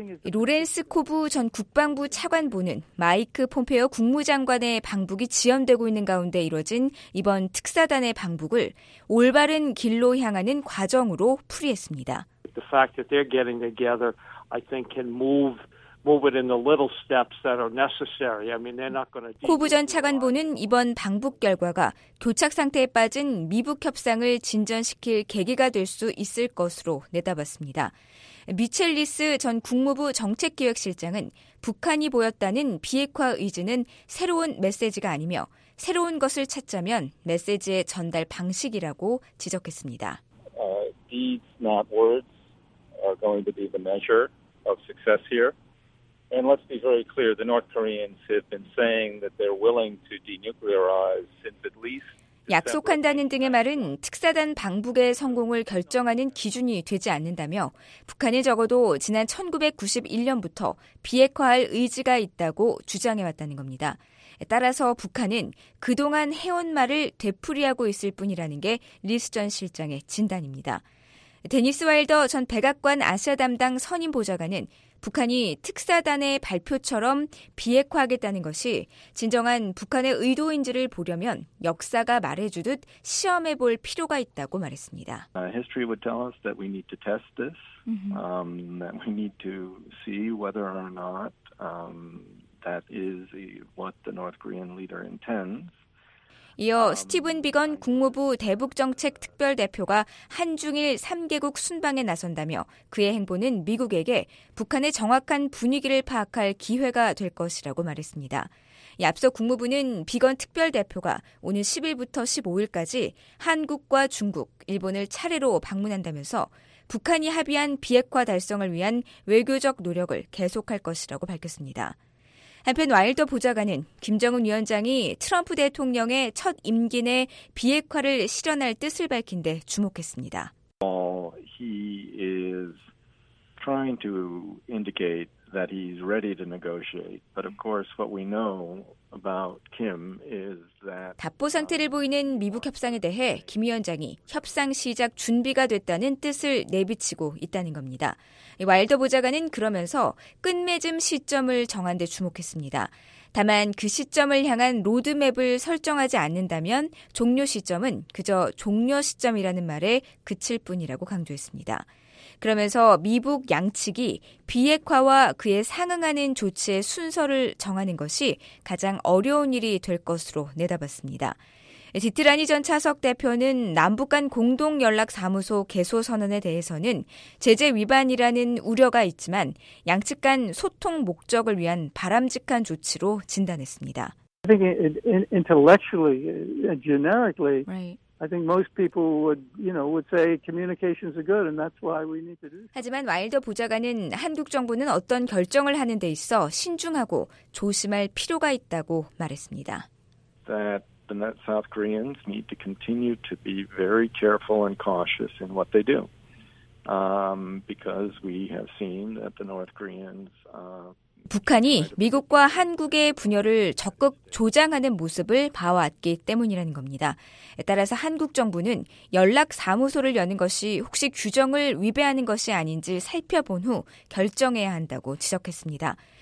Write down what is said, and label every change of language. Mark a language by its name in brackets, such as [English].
[Korean] 로렌스 코브 전 국방부 차관보는 마이크 폼페어 국무장관의 방북이 지연되고 있는 가운데 이뤄진 이번 특사단의 방북을 올바른 길로 향하는 과정으로 풀이했습니다. [English] The fact that they're getting together, I think, can move. Move it in the little steps that are necessary. I mean, they're not going to. [Korean] 코브 전 차관보는 이번 방북 결과가 교착 상태에 빠진 미북 협상을 진전시킬 계기가 될 수 있을 것으로 내다봤습니다. 미첼리스 전 국무부 정책기획실장은 북한이 보였다는 비핵화 의지는 새로운 메시지가 아니며 새로운 것을 찾자면 메시지의 전달 방식이라고 지적했습니다. [English] Deeds, not words, are going to be the measure of success here. And let's be very clear, the North Koreans have been saying that they're willing to denuclearize since at least [Korean] 약속한다는 등의 말은 특사단 방북의 성공을 결정하는 기준이 되지 않는다며 북한이 적어도 지난 1991년부터 비핵화할 의지가 있다고 주장해왔다는 겁니다. 따라서 북한은 그동안 해온 말을 되풀이하고 있을 뿐이라는 게 리스 전 실장의 진단입니다. 데니스 와일더 전 백악관 아시아 담당 선임 보좌관은 북한이 특사단의 발표처럼 비핵화하겠다는 것이 진정한 북한의 의도인지를 보려면 역사가 말해주듯 시험해 볼 필요가 있다고 말했습니다. [English] History would tell us that we need to test this, that we need to see whether or not that is what the North Korean leader intends. [Korean] 이어 스티븐 비건 국무부 대북정책특별대표가 한중일 3개국 순방에 나선다며 그의 행보는 미국에게 북한의 정확한 분위기를 파악할 기회가 될 것이라고 말했습니다. 앞서 국무부는 비건 특별대표가 오는 10일부터 15일까지 한국과 중국, 일본을 차례로 방문한다면서 북한이 합의한 비핵화 달성을 위한 외교적 노력을 계속할 것이라고 밝혔습니다. 한편 와일더 보좌관은 김정은 위원장이 트럼프 대통령의 첫 임기 내 비핵화를 실현할 뜻을 밝힌 데 주목했습니다. [English] He is trying to indicate that he's ready to negotiate. But of course what we know about Kim is that [Korean] 답보 상태를 보이는 미북 협상에 대해 김 위원장이 협상 시작 준비가 됐다는 뜻을 내비치고 있다는 겁니다. 와일더 보좌관은 그러면서 끝맺음 시점을 정한 데 주목했습니다. 다만 그 시점을 향한 로드맵을 설정하지 않는다면 종료 시점은 그저 종료 시점이라는 말에 그칠 뿐이라고 강조했습니다. 그러면서 미북 양측이 비핵화와 그에 상응하는 조치의 순서를 정하는 것이 가장 어려운 일이 될 것으로 내다봤습니다. 디트라니 전 차석 대표는 남북 간 공동연락사무소 개소 선언에 대해서는 제재 위반이라는 우려가 있지만 양측 간 소통 목적을 위한 바람직한 조치로 진단했습니다. [English] I think intellectually, generically, I think most people would, you know, would say communications are good, and that's why we need to do. [Korean] 하지만 와일더 보좌관은 한국 정부는 어떤 결정을 하는 데 있어 신중하고 조심할 필요가 있다고 말했습니다. [English] That the South Koreans need to continue to be very careful and cautious in what they do, because we have seen that the North Koreans. [Korean] 북한이 미국과 한국의 분열을 적극 조장하는 모습을 봐왔기 때문이라는 겁니다. 따라서 한국 정부는 연락사무소를 여는 것이 혹시 규정을 위배하는 것이 아닌지 살펴본 후 결정해야 한다고 지적했습니다.